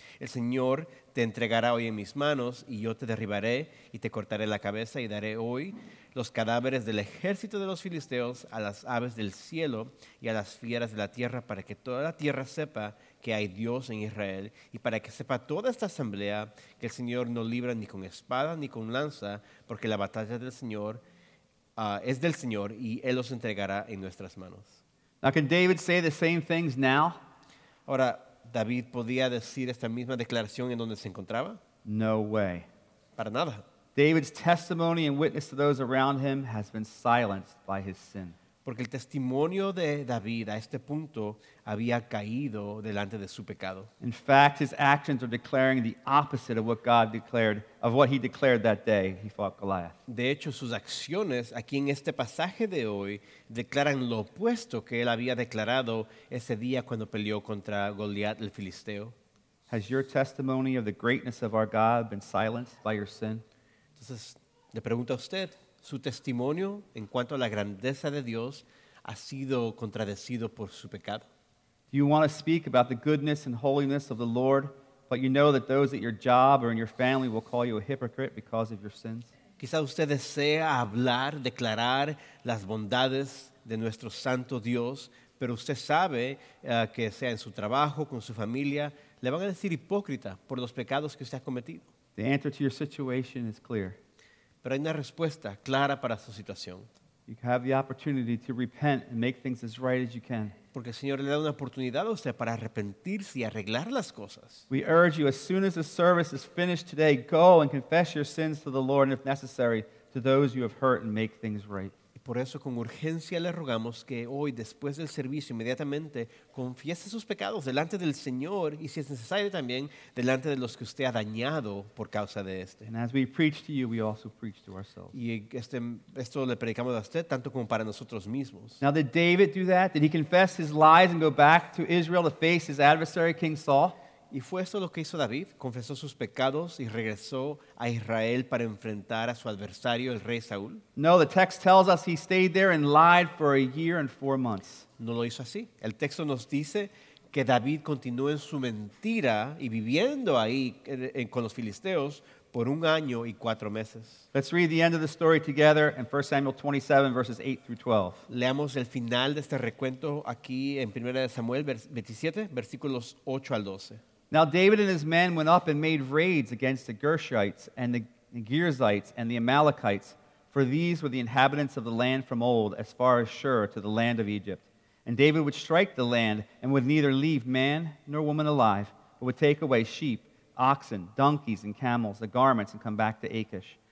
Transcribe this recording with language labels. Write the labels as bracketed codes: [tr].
[es] El Señor te entregará hoy en mis manos y yo te derribaré y te cortaré la cabeza y daré hoy los cadáveres del ejército de los filisteos a las aves del cielo y a las fieras de la tierra para que toda la tierra sepa que hay Dios en Israel, y para que sepa toda esta asamblea que el Señor no libra ni con espada ni con lanza, porque la batalla del Señor es del Señor y Él los entregará en nuestras manos." [en] Now, can David say the same things now? [es] Ahora, ¿David podía decir esta misma declaración en donde se encontraba? [en] No way. [es] Para nada. [en] David's testimony and witness to those around him has been silenced by his sin. [es] Porque el testimonio de David a este punto había caído delante de su pecado. [en] In fact, his actions are declaring the opposite of what God declared, of what he declared that day he fought Goliath. [es] De hecho, sus acciones aquí en este pasaje de hoy declaran lo opuesto que él había declarado ese día cuando peleó contra Goliath el filisteo. [en] Has your testimony of the greatness of our God been silenced by your sin? [es] Entonces, le pregunto a usted, ¿su testimonio en cuanto a la grandeza de Dios ha sido contradecido por su pecado? [en] Do you want to speak about the goodness and holiness of the Lord, but you know that those at your job or in your family will call you a hypocrite because of your sins? [es] Quizá usted desea hablar, declarar las bondades de nuestro santo Dios, pero usted sabe que sea en su trabajo, con su familia, le van a decir hipócrita por los pecados que usted ha cometido. [en] The answer to your situation is clear. [es] Pero hay una respuesta clara para su situación. [en] You have the opportunity to repent and make things as right as you can. [es] Porque el Señor le da una oportunidad a usted para arrepentirse y arreglar las cosas. [en] We urge you, as soon as the service is finished today, go and confess your sins to the Lord, and if necessary, to those you have hurt, and make things right. [es] Y por eso con urgencia le rogamos que hoy, después del servicio, inmediatamente confiese sus pecados delante del Señor y, si es necesario, también delante de los que usted ha dañado por causa de este. [en] And as we preach to you, we also preach to ourselves. [es] Y esto le predicamos a usted tanto como para nosotros mismos. [en] Now, did David do that? Did he confess his lies and go back to Israel to face his adversary, King Saul? [es] ¿Y fue esto lo que hizo David? ¿Confesó sus pecados y regresó a Israel para enfrentar a su adversario, el rey Saúl? [en] No, the text tells us he stayed there and lied for a year and four months. [es] No lo hizo así. El texto nos dice que David continuó en su mentira y viviendo ahí con los filisteos por un año y cuatro meses. [en] Let's read the end of the story together in 1 Samuel 27, verses 8 through 12. [es] Leamos el final de este recuento aquí en 1 Samuel 27, versículos 8 al 12. [en] Now David and his men went up and made raids against the Gershites and the Gerzites and the Amalekites, for these were the inhabitants of the land from old, as far as Shur, to the land of Egypt. And David would strike the land and would neither leave man nor woman alive, but would take away sheep, oxen, donkeys, and camels, the garments, and come back to Achish.